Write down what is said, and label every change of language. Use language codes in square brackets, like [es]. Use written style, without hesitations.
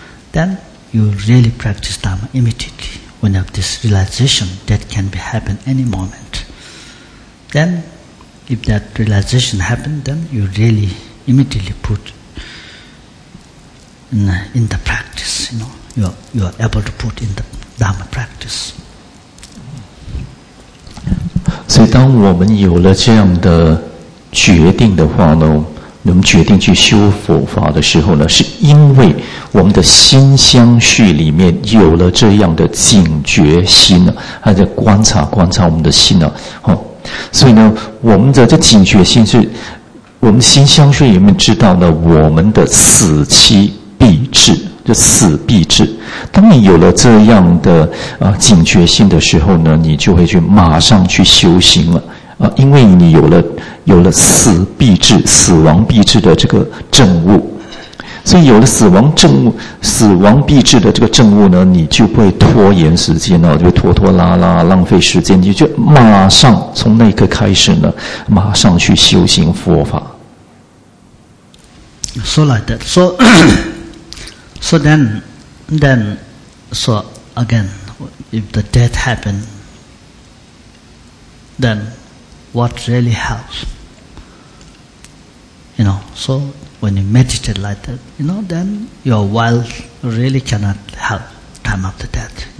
[en] Then you really practice Dharma immediately. When you have this realization, death can be happen any moment. Then, if that realization happened, then you really immediately put in the practice, you know, you are able to put in the Dharma practice. [zh] 所以当我们有了这样的决定的话呢，我们决定去修佛法的时候呢，是因为我们的心相续里面有了这样的警觉心呢，还在观察我们的心呢，所以呢，我们的这警觉心是，我们心相续里面知道呢，我们的死期必至，就死必至。当你有了这样的警觉心的时候呢，你就会去马上去修行了因为你有了死必至、死亡必至的这个证悟，所以有了死亡必至的这个证悟呢，你就不会拖延时间了，就会拖拖拉拉浪费时间，你就马上从那一刻开始呢，马上去修行佛法。 [en] So like that. So, so then, then, so again, if the death happen, then what really helps? You know, so. When you meditate like that, you know, then your will really cannot help time after death.